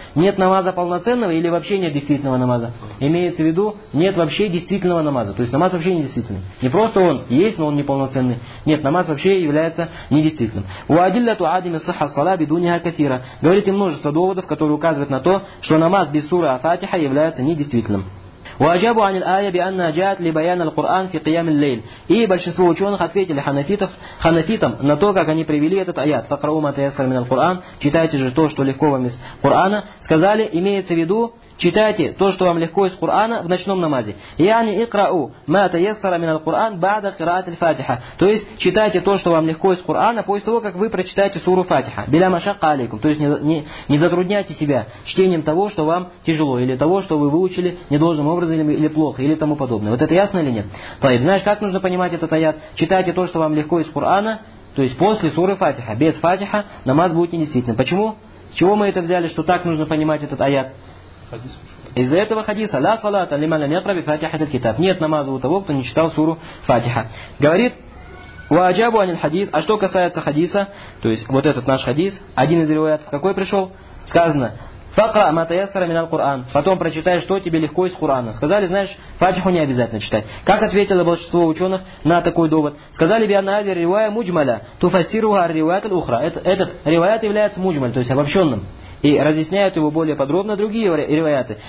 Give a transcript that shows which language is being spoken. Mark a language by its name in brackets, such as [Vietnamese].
[Russian] Нет намаза полноценного или вообще нет действительного намаза? Имеется в виду, нет вообще действительного намаза. То есть намаз вообще недействительный. Не просто он есть, но он неполноценный. Нет, намаз вообще является недействительным. [Arabic] «Ва адиллату адами сахха ас-сала бидуниха катира» [Russian] говорит и множество доводов, которые указывают на то, что намаз без суры Фатиха является недействительным. [Arabic] وأجابوا عن الآية بأن جاءت لبيان القرآن في قيام الليل. [Russian] И большинство ученых ответили ханафитам на то, как они привели этот аят. [Arabic] فقرأوا ما تيسر من القرآن. [Russian] Читайте же то, что легко вам из Корана. Сказали, имеется в виду, читайте то, что вам легко из Корана в ночном намазе. [Arabic] يعني اقرأوا ما تيسر من القرآن بعد قراءة الفاتحة. [Russian] То есть читайте то, что вам легко из Корана после того, как вы прочитаете суру Фатиха. [Arabic] بلا مشقة عليكم. [Russian] То есть не затрудняйте себя чтением того, что вам тяжело или того, что вы выучили не должным образом. Или плохо, или тому подобное. Вот это ясно или нет? Таиб, знаешь, как нужно понимать этот аят? Читайте то, что вам легко из Корана, то есть после суры Фатиха. Без Фатиха намаз будет недействительным. Почему? С чего мы это взяли, что так нужно понимать этот аят? Из-за этого хадиса [Arabic] «Ля салата лиман лям якра бифатиха аль-китаб». [Russian] Нет намаза у того, кто не читал суру Фатиха. Говорит [Arabic] «Ва аджабу анил хадис». [Russian] А что касается хадиса, то есть вот этот наш хадис, один из риваятов, какой пришел? Сказано [Arabic] فقرأ ما تيسر من القرآن. [Russian] Потом прочитай, что тебе легко из Корана. Сказали, знаешь, Фатиху не обязательно читать. Как ответило большинство ученых на такой довод? Сказали, [Arabic] бианади ривая муджмаля, туфасируха ривайат аль-ухра. [Russian] Этот ривайат является муджмаль, то есть обобщенным. И разъясняют его более подробно другие риваяты.